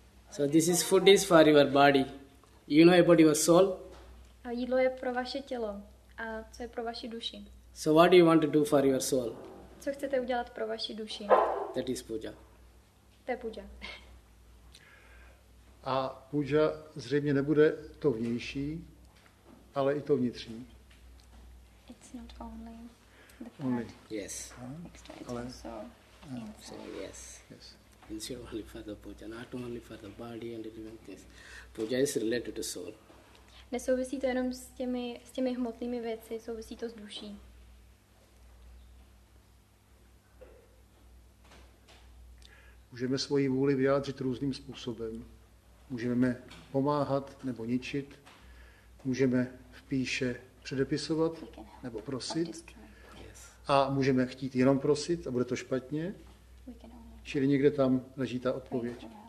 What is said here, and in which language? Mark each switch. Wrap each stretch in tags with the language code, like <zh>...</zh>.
<en>So this is food is for your body. You know about your soul?</en> <cs>Jídlo je pro vaše tělo. A co je pro vaši duši?</cs> <en>So what do you want to do for your soul?</en> <cs>Co chcete udělat pro vaši duši?</cs> <en>That is puja.</en> <cs>To je puja. A puja zřejmě nebude to vnější, ale i to vnitřní.</cs> <en>It's not only the part. Yes. Ale also inside. So yes. It's only for the puja, not only for the body and even this. Puja is related to soul.</en> <cs>Nesouvisí to jenom s těmi hmotnými věci, souvisí to s duší. Můžeme svoji vůli vyjádřit různým způsobem. Můžeme pomáhat nebo ničit, můžeme v píše předepisovat nebo prosit a můžeme chtít jenom prosit a bude to špatně, čili někde tam leží ta odpověď.</cs>